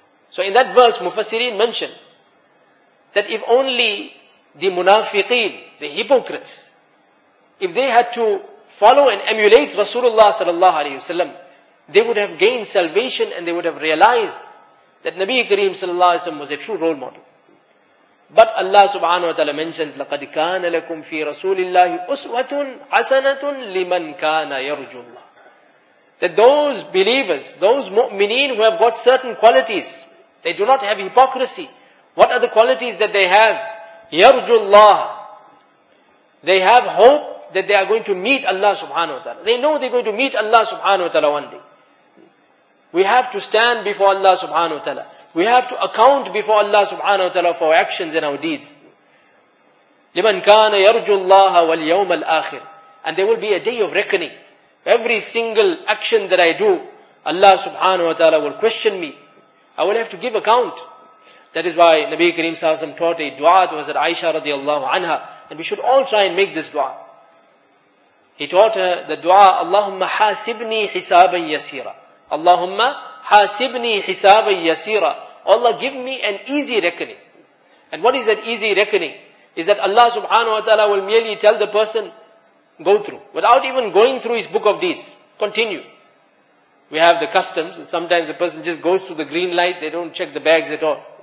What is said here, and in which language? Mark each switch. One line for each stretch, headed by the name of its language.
English: So in that verse, Mufassirin mentioned that if only the munafiqeen, the hypocrites, if they had to follow and emulate Rasulullah sallallahu alayhi wa sallam, they would have gained salvation and they would have realized that Nabi Kareem sallallahu alayhi wa sallam was a true role model. But Allah subhanahu wa ta'ala mentioned,
Arabic: لَقَدْ كَانَ لَكُمْ فِي رَسُولِ اللَّهِ أُسْوَةٌ حَسَنَةٌ لِمَنْ كَانَ يَرْجُ اللَّهِ.
English: That those believers, those mu'mineen who have got certain qualities, they do not have hypocrisy. What are the qualities that they have?
Arabic: يَرْجُ اللَّهِ.
English: They have hope that they are going to meet Allah subhanahu wa ta'ala. They know they're going to meet Allah subhanahu wa ta'ala one day. We have to stand before Allah subhanahu wa ta'ala. We have to account before Allah subhanahu wa ta'ala for our actions and our deeds.
Arabic: لِمَنْ كَانَ يَرْجُ اللَّهَ وَالْيَوْمَ الْآخِرِ.
English: And there will be a day of reckoning. Every single action that I do, Allah subhanahu wa ta'ala will question me. I will have to give account. That is why Nabi Kareem sallallahu alayhi wa sallam taught a dua to Hazrat Aisha radiallahu anha. And we should all try and make this dua. He taught her the dua,
Arabic: اللَّهُمَّ حَاسِبْنِي حِسَابًا يَسِيرًا. اللهم حاسبني حسابا يسيرا.
English: Allah give me an easy reckoning. And what is that easy reckoning? Is that Allah subhanahu wa ta'ala will merely tell the person, go through. Without even going through his book of deeds. Continue. We have the customs. Sometimes the person just goes through the green light. They don't check the bags at all.